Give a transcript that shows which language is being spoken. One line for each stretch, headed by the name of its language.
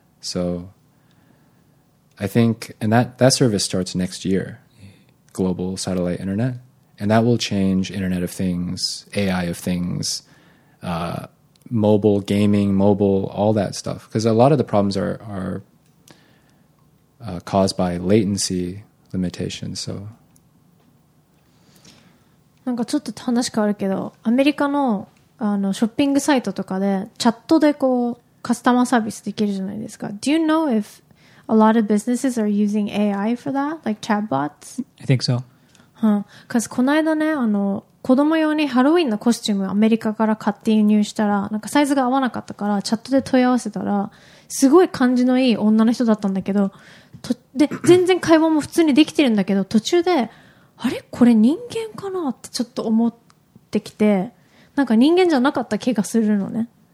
English: So I think, and that service starts next year, global satellite internet, and that will change Internet of Things, AI of Things, mobile gaming, mobile, all that stuff. Because a lot of the problems are caused by latency limitations. So,
Japanese: なんかちょっと話変わるけど、アメリカのあのショッピングサイトとかでチャットでこうカスタマーサービスできるじゃないですか。
English: Do you know if a lot of businesses are using AI for that, like chatbots? I think so. うん。
Japanese: Cause この間ね、あの子供用にハロウィンのコスチュームをアメリカから買って輸入したら、なんかサイズが合わなかったからチャットで問い合わせたら、すごい感じのいい女の人だったんだけど、とで全然会話も普通にできてるんだけど、途中であれこれ人間かなってちょっと思ってきて、なんか人間じゃなかった気がするのね。